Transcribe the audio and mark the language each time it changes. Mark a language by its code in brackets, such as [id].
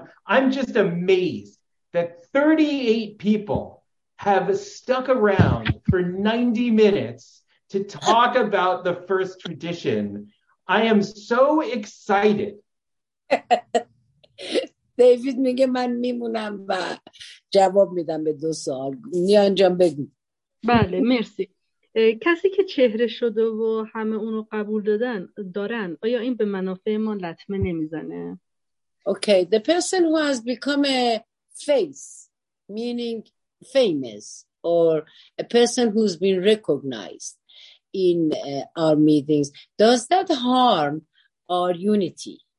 [en] I'm just amazed that 38 people have stuck around for 90 minutes to talk about the first tradition. I am so excited. [fa] David میگه من میمونم و جواب میدم به دو سوال. نیان جان بگو. بله مرسی. کسی که چهره شده و همه اونو قبول دادن دارن، آیا این به منافع ما لطمه نمیزنه؟ [en] Okay, the person who has become a face, meaning famous, or a person who's been recognized in our meetings, does that harm our unity?